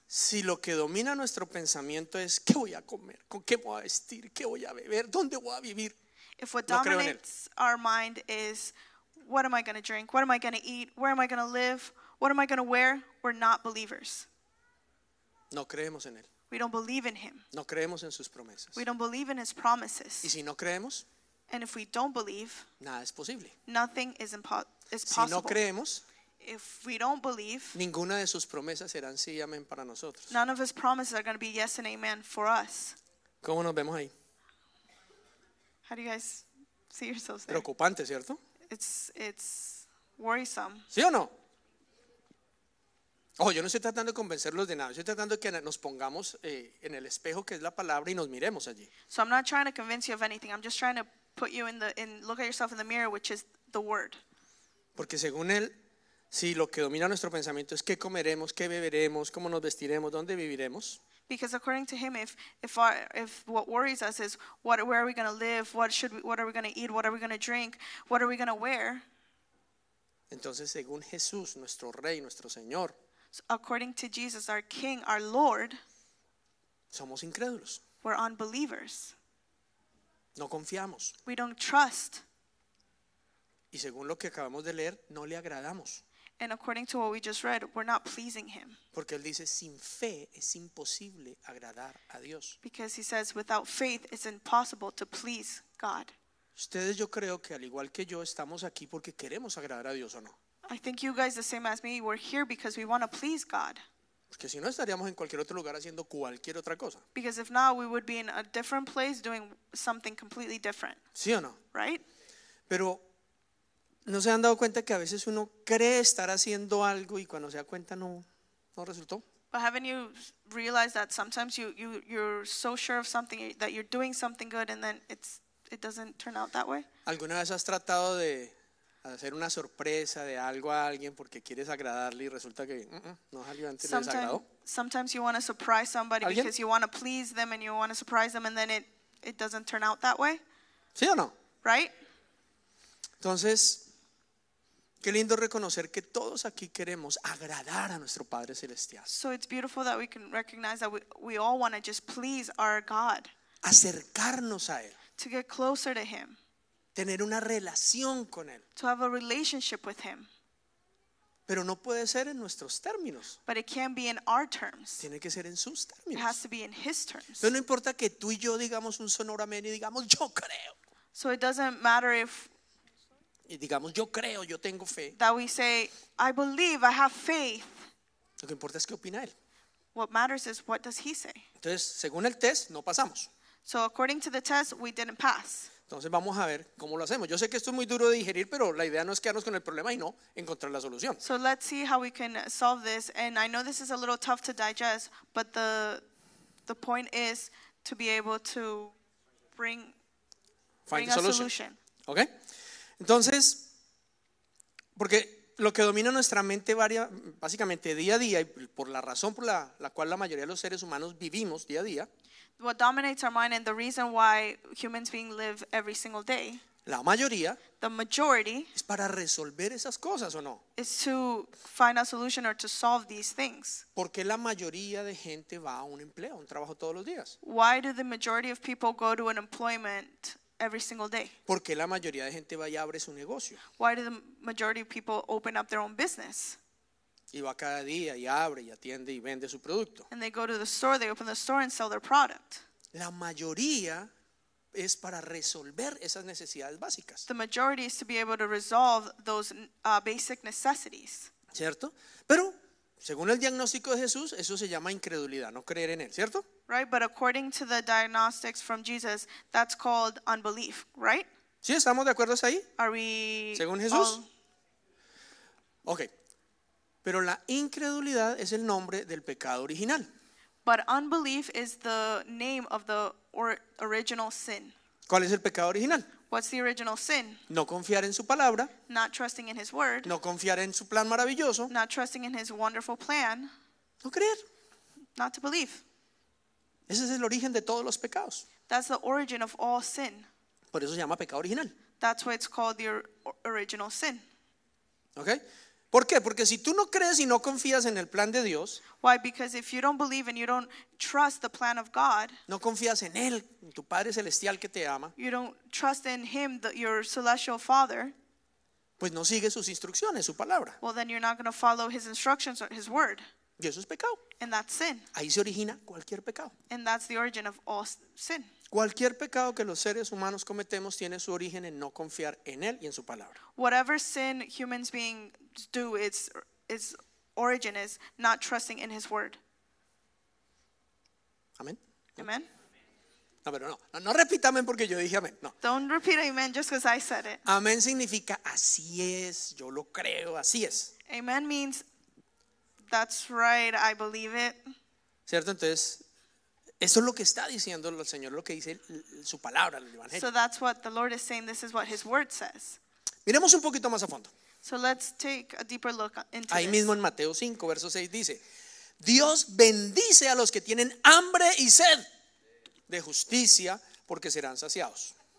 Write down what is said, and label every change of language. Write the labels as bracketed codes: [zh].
[es] si lo que domina nuestro pensamiento es qué voy a comer, con qué voy a vestir, qué voy a beber, dónde voy a vivir, [en] if what dominates our mind is what am I going to drink, what am I going to eat, where am I going to live, what am I going to wear, we're not believers. [es] No creemos en él. [en] We don't believe in him. [es] No creemos en sus promesas. [en] We don't believe in his promises. [es] Y si no creemos, [en] and if we don't believe, [es] nada es posible. [en] Nothing is possible. [es] Si no creemos, [en] if we don't believe, [es] ninguna de sus promesas serán sí y amén para nosotros. [en] None of his promises are going to be yes and amen for us. [es] ¿Cómo nos vemos ahí? [en] How do you guys see yourselves there? [es] Preocupante, ¿cierto? [en] It's worrisome. [es] ¿Sí o no? Oh, yo no estoy tratando de convencerlos de nada. Estoy tratando de que nos pongamos en el espejo que es la palabra y nos miremos allí. [en] So I'm not trying to convince you of anything. I'm just trying to put you look at yourself in the mirror, which is the word. [es] Porque según él, si lo que domina nuestro pensamiento es qué comeremos, qué beberemos, cómo nos vestiremos, dónde viviremos. [en] Because according to him, if what worries us is where are we going to live, what are we going to eat, what are we going to drink, what are we going to wear? [es] Entonces, según Jesús, nuestro rey, nuestro señor. [en] So according to Jesus, our King, our Lord, [es] somos incrédulos. [en] We're unbelievers. [es] No confiamos. [en] We don't trust. [es] Y según lo que acabamos de leer, no le agradamos. [en] And according to what we just read, we're not pleasing him. [es] Porque él dice, sin fe es imposible agradar a Dios. [en] Because he says, without faith, it's impossible to please God. [es] Ustedes, yo creo que al igual que yo, estamos aquí porque queremos agradar a Dios, ¿o no? [en] I think you guys, the same as me, we're here because we want to please God. [es] Porque si no, estaríamos en cualquier otro lugar haciendo cualquier otra cosa. [en] Because if not, we would be in a different place doing something completely different. [es] ¿Sí o no? [en] Right? [es] Pero ¿no se han dado cuenta que a veces uno cree estar haciendo algo y cuando se da cuenta no resultó? [en] But haven't you realized that sometimes you're so sure of something that you're doing something good and then it doesn't turn out that way? [es] ¿Alguna vez has tratado de hacer una sorpresa de algo a alguien porque quieres agradarle y resulta que no salió antes de desagrado? [en] Sometimes you want to surprise somebody. [es] ¿Alguien? [en] Because you want to please them and you want to surprise them and then it doesn't turn out that way. [es] ¿Sí o no? [en] Right? [es] Entonces, qué lindo reconocer que todos aquí queremos agradar a nuestro Padre Celestial. [en] So it's beautiful that we can recognize that we all want to just please our God. [es] Acercarnos a Él. [en] To get closer to Him. [es] Tener una relación con Él. [en] To have a relationship with Him. [es] Pero no puede ser en nuestros términos. [en] But it can't be in our terms. [es] Tiene que ser en sus términos. [en] It has to be in His terms. [es] Pero no importa que tú y yo digamos un sonoro amén y digamos yo creo. [en] So it doesn't matter if [es] y digamos yo creo, yo tengo fe. [en] That we say, I believe, I have faith. [es] Lo que importa es qué opina él. [en] What matters is what does he say. [es] Entonces, según el test, no pasamos. [en] So according to the test, we didn't pass. [es] Entonces vamos a ver cómo lo hacemos. Yo sé que esto es muy duro de digerir, pero la idea no es quedarnos con el problema y no encontrar la solución. [en] So let's see how we can solve this. And I know this is a little tough to digest, but the point is to be able to bring a solution. Okay. [es] Entonces, porque lo que domina nuestra mente varía básicamente día a día y por la razón por la cual la mayoría de los seres humanos vivimos día a día. [en] What dominates our mind and the reason why human beings live every single day. [es] La mayoría. [en] The majority. [es] Es para resolver esas cosas, ¿o no? [en] Is to find a solution or to solve these things. [es] ¿Por qué la mayoría de gente va a un empleo, a un trabajo todos los días? [en] Why do the majority of people go to an employment every single day? [es] ¿Por qué la mayoría de gente va y abre su negocio? [en] Why do the majority of people open up their own business? [es] Y va cada día y abre y atiende y vende su producto. [en] And they go to the store, they open the store and sell their product. [es] La mayoría es para resolver esas necesidades básicas. [en] The majority is to be able to resolve those basic necessities. [es] ¿Cierto? Pero Según el diagnóstico de Jesús, eso se llama incredulidad, no creer en él, ¿cierto? [en] Right, but according to the diagnostics from Jesus, that's called unbelief, right? [es] ¿Sí, estamos de acuerdo ahí? [en] Are we [es] según Jesús? [en] All... Okay. [es] Pero la incredulidad es el nombre del pecado original. [en] But unbelief is the name of the original sin. [es] ¿Cuál es el pecado original? [en] What's the original sin? [es] No confiar en su palabra. [en] Not trusting in his word. [es] No confiar en su plan maravilloso. [en] Not trusting in his wonderful plan. [es] No creer. [en] Not to believe. [es] Ese es el origen de todos los pecados. [en] That's the origin of all sin. [es] Por eso se llama pecado original. [en] That's why it's called the original sin. [es] Okay. ¿Por qué? Porque si tú no crees y no confías en el plan de Dios, [en] why? Because if you don't believe and you don't trust the plan of God, [es] no confías en Él, en tu Padre Celestial que te ama, [en] you don't trust in Him, your celestial Father, [es] pues no sigues sus instrucciones, su palabra. [en] Well, then you're not going to follow His instructions or His word. [es] Y eso es pecado. [en] And that's sin. [es] Ahí se origina cualquier pecado. [en] And that's the origin of all sin. [es] Cualquier pecado que los seres humanos cometemos tiene su origen en no confiar en Él y en su palabra. [en] Whatever sin humans beings do, its origin is not trusting in His word. Amen. Amen. [es] No, pero no. No repita amén porque yo dije amén. No. [en] Don't repeat amen just because I said it. [es] Amén significa así es, yo lo creo, así es. [en] Amen means that's right, I believe it. [es] ¿Cierto? Entonces... eso es lo que está diciendo el Señor, lo que dice su palabra, el Evangelio. [en] So that's what the Lord is saying, this is what His word says. [es] Miremos un poquito más a fondo. [en] So let's take a deeper look into [es] this. Ahí mismo en Mateo 5, verso 6 dice, Dios bendice a los que tienen hambre y sed de justicia porque serán saciados.